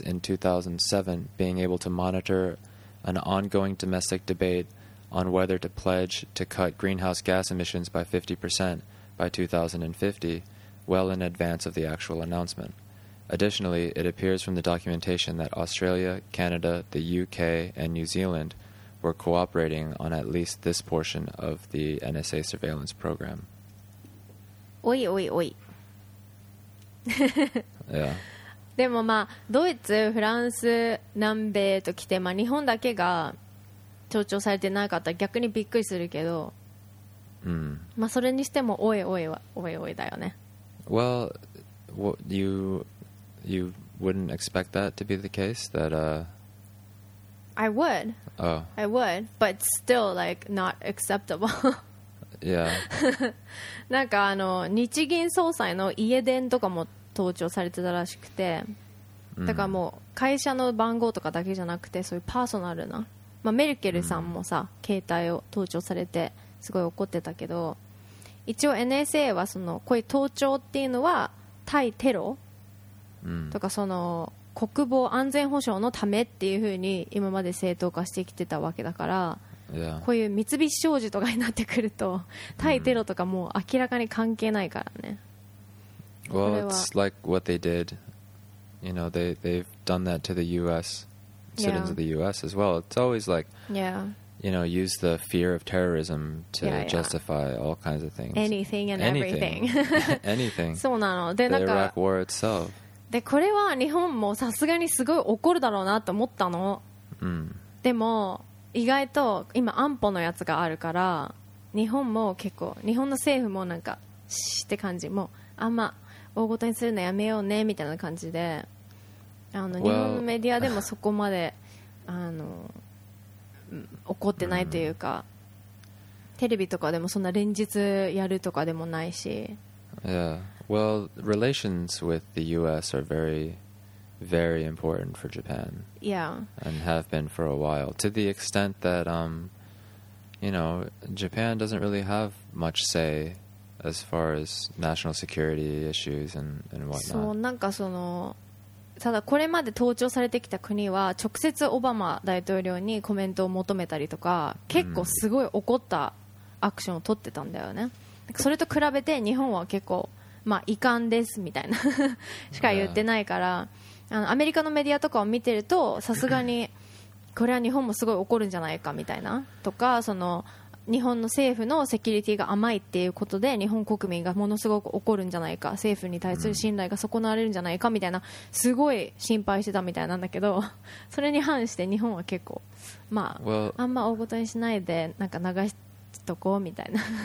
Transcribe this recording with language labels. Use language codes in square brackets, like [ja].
[en] in 2007 being able to monitor an ongoing domestic debate on whether to pledge to cut greenhouse gas emissions by 50% by 2050, well in advance of the actual announcement. Additionally, it appears from the documentation that Australia, Canada, the U.K., and New Zealand were cooperating on at least this portion of the NSA surveillance program. [ja] おいおいおい、 [en] yeah. [ja] でもまあドイツ、フランス、南米ときて、まあ、日本だけが盗聴されてなかったら逆にびっくりするけど、まあ、それにしてもおいおいはおいおいだよね。 [en] Well, you wouldn't expect that to be the case, that, I would. Oh. I would, but still like not acceptable. Yeah. [ja] なんかあの日銀総裁の家電とかも盗聴されてたらしくて、だからもう会社の番号とかだけじゃなくて、そういうパーソナルな、まあ、メルケルさんもさ、携帯を盗聴されてすごい怒ってたけど、一応 NSA はそのこういう盗聴っていうのは対テロとかその国防安全保障のためっていう風に今まで正当化してきてたわけだから、こういう三菱商事とかになってくると対テロとかもう明らかに関係ないからね。 [en] Well, it's like what they did. You know, they've done that to the U.S. citizens of the U.S. as well. It's always like, you know, use the fear of terrorism to justify all kinds of things. Anything and everything. Anything. [ja] そうなの。 [en] The Iraq war itself. [ja] で、これは日本もさすがにすごい怒るだろうなと思ったの。でも意外と今安保のやつがあるから、日本も結構、日本の政府もなんかシーって感じ、もうあんま大ごとにするのやめようねみたいな感じで、あの日本のメディアでもそこまで、あの怒ってないというか、テレビとかでもそんな連日やるとかでもないし、 [en] Yeah, well, relations with the US are veryvery important for Japan. Yeah. And have been for a while. To the extent that, you know, Japan doesn't really have much say as far as national security issues and whatnot. [ja] そう、なんかその、ただこれまで盗聴されてきた国は直接オバマ大統領にコメントを求めたりとか、結構すごい怒ったアクションを取ってたんだよね。それと比べて日本は結構、まあ遺憾ですみたいなしか言ってないから、あのアメリカのメディアとかを見てると、さすがにこれは日本もすごい怒るんじゃないかみたいなとか、その日本の政府のセキュリティが甘いっていうことで日本国民がものすごく怒るんじゃないか、政府に対する信頼が損なわれるんじゃないかみたいな、すごい心配してたみたいなんだけど、それに反して日本は結構、まあ、あんま大ごとにしないでなんか流しとこうみたいな。